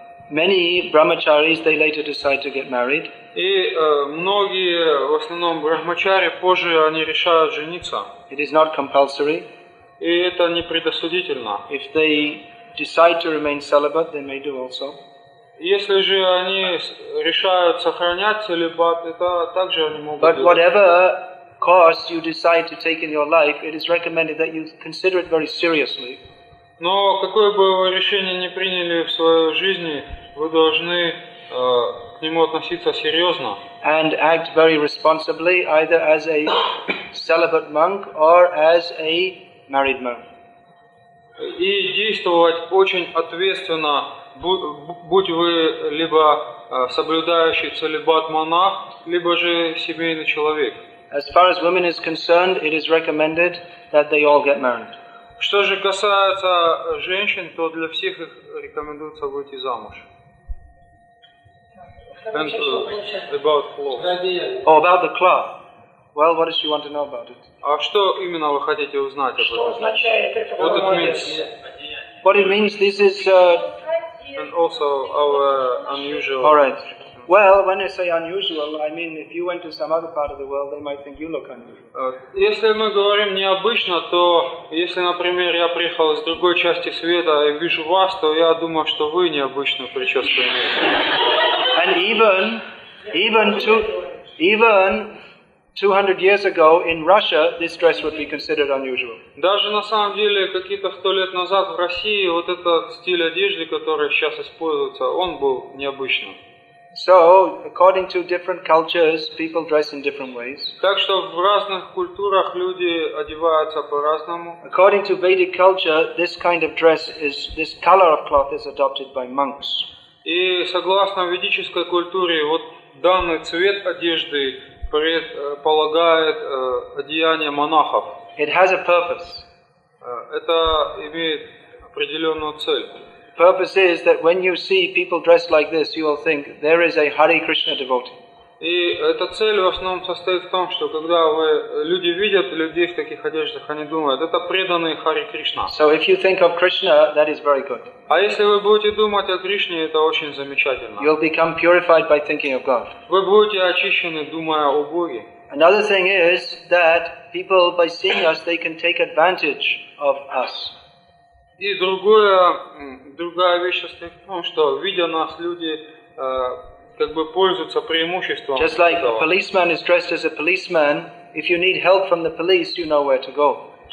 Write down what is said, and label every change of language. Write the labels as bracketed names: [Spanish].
[English] Many brahmacharis, they later decide to get married. [Russian] И многие, в основном брахмачари, позже они решают жениться. [English] It is not compulsory. [Russian] И это не предосудительно. [English] If they decide to remain celibate, they may do also. [Russian] Если же они решают сохранять целибат, это также они могут. [English] But whatever course you decide to take in your life, it is recommended that you consider it very seriously. [Russian] Но какое бы вы решение ни приняли в своей жизни, вы должны к нему относиться серьезно. [English] And act very responsibly, either as a celibate monk or as a married monk. [Russian] И действовать очень ответственно, будь вы либо соблюдающий целибат монах, либо же семейный человек. [English] As far as women is concerned, it is recommended that they all get married. [Russian] Что же касается женщин, то для всех их рекомендуется выйти замуж. [English] And about cloth. Oh, about the cloth. Well, what does she want to know about it? [Russian] А что именно вы хотите узнать об этом? Что означает это? [English] What it means? What it means? This is. And also our unusual. All right. Well, when I say unusual, I mean if you went to some other part of the world, they might think you look unusual. [Russian] Если мы говорим необычно, то если, например, я приехал из другой части света и вижу вас, то я думаю, что вы необычную прическу имеете. [English] And even 200 years ago in Russia, this dress would be considered unusual. [Russian] Даже на самом деле какие-то 100 лет назад в России вот этот стиль одежды, который сейчас используется, он был необычным. [English] So, according to different cultures, people dress in different ways. [Russian] Так что в разных культурах люди одеваются по-разному. [English] According to Vedic culture, this kind of dress is this color of cloth is adopted by monks. [Russian] И согласно ведической культуре, вот данный цвет одежды предполагает одеяние монахов. [English] It has a purpose. [Russian] Это имеет определенную цель. [English] Purpose is that when you see people dressed like this, you will think there is a Hare Krishna devotee. [Russian] И эта цель в основном состоит в том, что когда люди видят людей в таких одеждах, они думают, это преданные Hare Krishna. [English] So if you think of Krishna, that is very good. [Russian] А если вы будете думать о Кришне, это очень замечательно. [English] You'll become purified by thinking of God. [Russian] Вы будете очищены, думая о Боге. [English] Another thing is that people, by seeing us, they can take advantage of us. [Russian] И другая вещь состоит в том, что видя нас, люди как бы пользуются преимуществом. [English] Just like a policeman is dressed as a policeman, if you need help from the police, you know where to go.